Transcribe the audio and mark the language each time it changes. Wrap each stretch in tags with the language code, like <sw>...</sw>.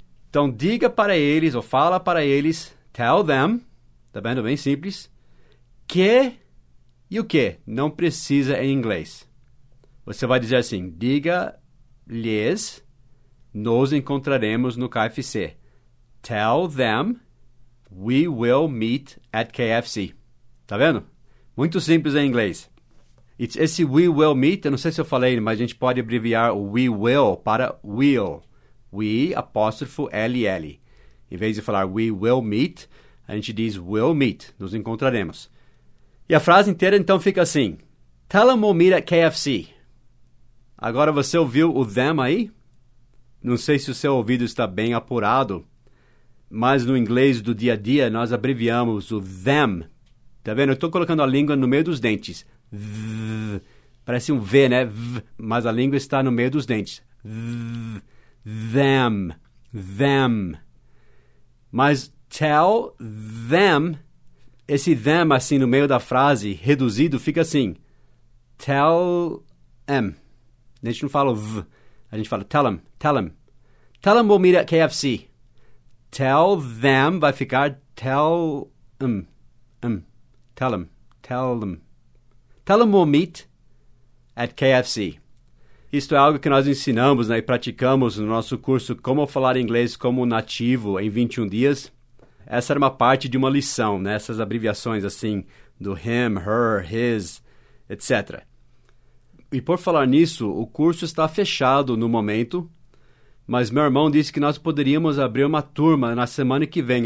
<pt>Então, diga para eles, ou fala para eles,</pt> <en>tell them.</en> <pt>Tá vendo? Bem simples. Que... E o que? Não precisa em inglês. Você vai dizer assim, diga-lhes, nos encontraremos no KFC.</pt> <en>Tell them, we will meet at KFC.</en> <pt>Tá vendo? Muito simples em inglês. Esse</pt> <en>we will meet,</en> <pt>eu não sei se eu falei, mas a gente pode abreviar o we will para will. We, apóstrofo, L-L. Em vez de falar</pt> <en>we will meet,</en> <pt>a gente diz</pt> <en>will meet,</en> <pt>nos encontraremos. E a frase inteira, então, fica assim.</pt> <en>Tell them we'll meet at KFC.</en> <pt>Agora, você ouviu o them aí? Não sei se o seu ouvido está bem apurado, mas no inglês do dia a dia, nós abreviamos o them. Tá vendo? Eu estou colocando a língua no meio dos dentes. Th. parece um V, né? V, mas a língua está no meio dos dentes. Th, them, them. Mas</pt> <en>tell them,</en> <pt>esse them assim no meio da frase, reduzido, fica assim.</pt> <en>Tell them.</en> <pt>A gente não fala V, a gente fala</pt> <en>tell them, tell them. Tell them we'll meet at KFC. Tell them</en> <pt>vai ficar</pt> <en>tell them, tell them, tell them. Tell them we'll meet at KFC.</en> <pt>Isto é algo que nós ensinamos, né, e praticamos no nosso curso Como Falar Inglês Como Nativo em 21 Dias. Essa era uma parte de uma lição, né, essas abreviações assim do him, her, his, etc. E por falar nisso, o curso está fechado no momento, mas meu irmão disse que nós poderíamos abrir uma turma na semana que vem.</pt>